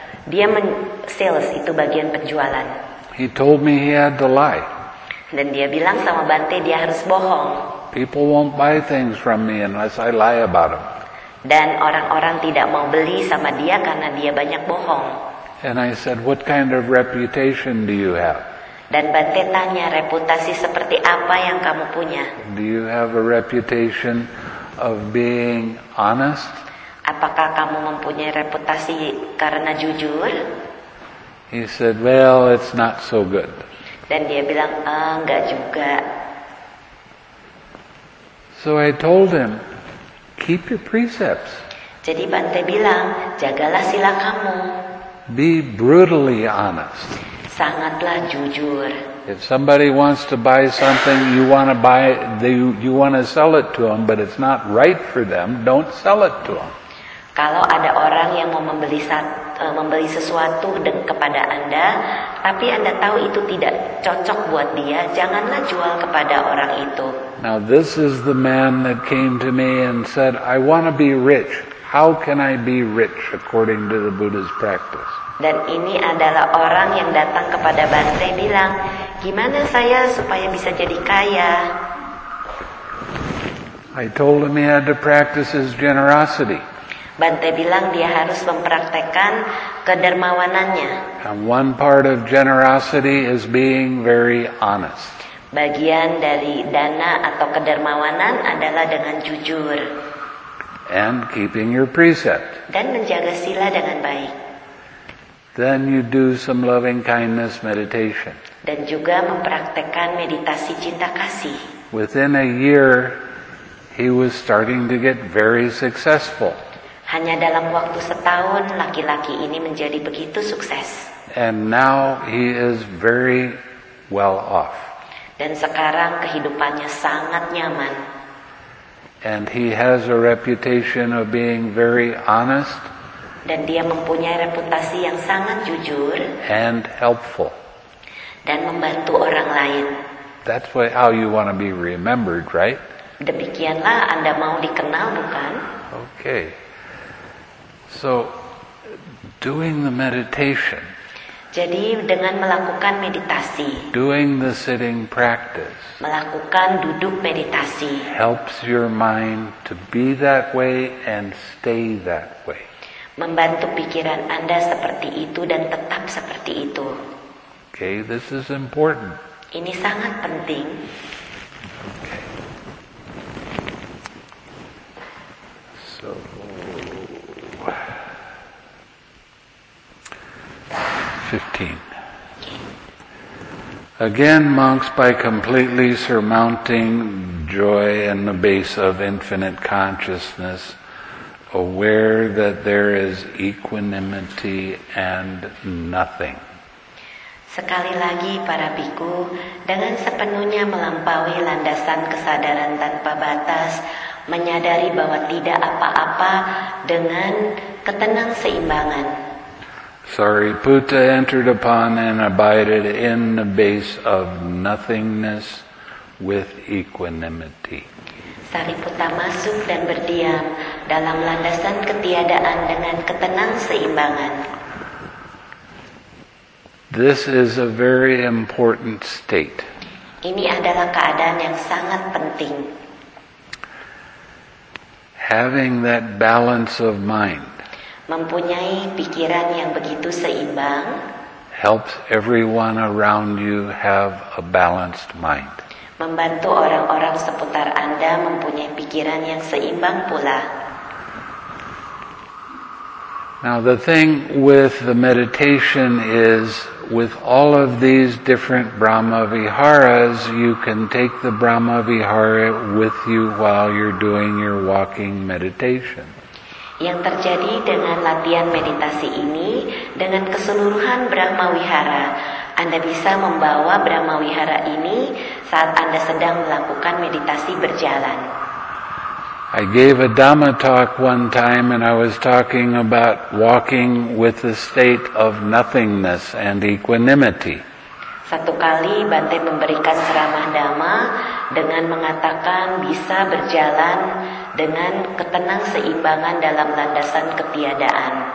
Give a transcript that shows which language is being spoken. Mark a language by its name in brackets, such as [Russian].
[Indonesian] Dia sales, itu bagian penjualan. [English] He told me he had to lie. [Indonesian] Dan dia bilang sama Bante dia harus bohong. [English] People won't buy things from me unless I lie about them. [Indonesian] Dan orang-orang tidak mau beli sama dia karena dia banyak bohong. [English] And I said, what kind of reputation do you have? [Indonesian] Dan Bante tanya, reputasi seperti apa yang kamu punya? [English] Do you have a reputation of being honest? [Indonesian] Apakah kamu mempunyai reputasi karena jujur? [English] He said, well, it's not so good. [Indonesian] Dan dia bilang, enggak juga. [English] So I told him, keep your precepts. [Indonesian] Jadi Bante bilang, jagalah sila kamu. [English] Be brutally honest. [Indonesian] Sangatlah jujur. [English] If somebody wants to buy something, you want to sell it to them, but it's not right for them, don't sell it to them. [Indonesian] Kalau ada orang yang mau membeli sesuatu kepada Anda, tapi Anda tahu itu tidak cocok buat dia, janganlah jual kepada orang itu. [English] Now this is the man that came to me and said, I want to be rich. How can I be rich according to the Buddha's practice? [Indonesian] Dan ini adalah orang yang datang kepada Bante bilang, gimana saya supaya bisa jadi kaya? [English] I told him he had to practice his generosity. [Indonesian] Bante bilang dia harus mempraktekkan kedermawanannya. [English] And one part of generosity is being very honest. [Indonesian] Bagian dari dana atau kedermawanan adalah dengan jujur. [English] And keeping your precept. [Indonesian] Dan menjaga sila dengan baik. [English] Then you do some loving kindness meditation. [Indonesian] Dan juga mempraktekkan meditasi cinta kasih. [English] Within a year, he was starting to get very successful. [Indonesian] Hanya dalam waktu setahun, laki-laki ini menjadi begitu sukses. [English] And now he is very well off. [Indonesian] Dan sekarang kehidupannya sangat nyaman. [English] And he has a reputation of being very honest. [Indonesian] Dan dia mempunyai reputasi yang sangat jujur. [English] And helpful. [Indonesian] Dan membantu orang lain. [English] That's how you want to be remembered, right? [Indonesian] Demikianlah Anda mau dikenal, bukan? [English] Okay. So, doing the meditation. [Indonesian] Jadi dengan melakukan meditasi. [English] Doing the sitting practice. [Indonesian] Melakukan duduk meditasi. [English] Helps your mind to be that way and stay that way. [Indonesian] Membantu pikiran Anda seperti itu dan tetap seperti itu. [English] Okay, this is important. [Indonesian] Ini sangat penting. [English] Okay. So, again, monks, by completely surmounting joy in the base of infinite consciousness, aware that there is equanimity and nothing. [Indonesian] Sekali lagi, para bhikkhu, dengan sepenuhnya melampaui landasan kesadaran tanpa batas, menyadari bahwa tidak apa-apa dengan ketenang seimbangan. [English] Sariputta entered upon and abided in the base of nothingness with equanimity. [Indonesian] Sariputta masuk dan berdiam dalam landasan ketiadaan dengan ketenang seimbangan. [English] This is a very important state. [Indonesian] Ini adalah keadaan yang sangat penting. [English] Having that balance of mind. [Indonesian] Mempunyai pikiran yang begitu seimbang. [English] Helps everyone around you have a balanced mind. [Indonesian] Membantu orang-orang seputar Anda mempunyai pikiran yang seimbang pula. [English] Now the thing with the meditation is, with all of these different Brahma Viharas, you can take the Brahma Vihara with you while you're doing your walking meditation. [Indonesian] Yang terjadi dengan latihan meditasi ini, dengan keseluruhan Brahma Vihara, Anda bisa membawa Brahma Vihara ini saat Anda sedang melakukan meditasi berjalan. [English] I gave a Dhamma talk one time and I was talking about walking with the state of nothingness and equanimity. [Indonesian] Satu kali Bante memberikan ceramah Dhamma dengan mengatakan bisa berjalan dengan ketenang seimbangan dalam landasan ketiadaan.